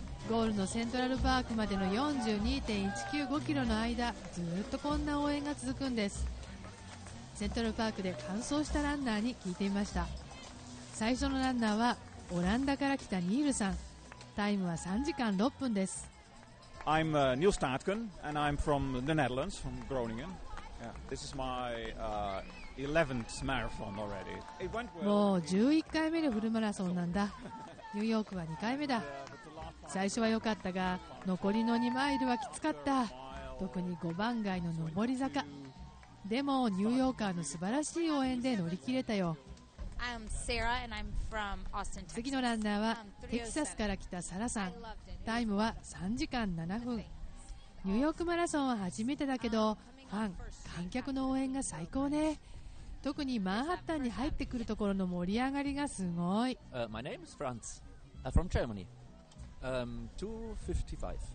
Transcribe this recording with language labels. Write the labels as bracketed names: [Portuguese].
[Japanese] ゴールのセントラルパークまでの 42.195 キロの間、ずっとこんな応援が続くんです。セントラルパークで完走したランナーに聞いてみました。最初のランナーはオランダから来たニールさん。タイムは3時間6分です。 [English] I'm Niels Taatken and I'm from the Netherlands, from Groningen. Yeah. This is my 11th marathon already. It went well. [Japanese] もう11回目のフルマラソンなんだ。ニューヨークは2回目だ。最初は良かったが、残りの2マイルはきつかった。特に5番街の上り坂。でもニューヨーカーの素晴らしい応援で乗り切れたよ。 [English] I'm Sarah and I'm from Austin, Texas. [Japanese] 次のランナーはテキサスから来たサラさん。タイムは3時間7分。ニューヨークマラソンは初めてだけど、ファン、観客の応援が最高ね。特にマンハッタンに入ってくるところの盛り上がりがすごい。 [English] My name is Franz. From Germany. 255.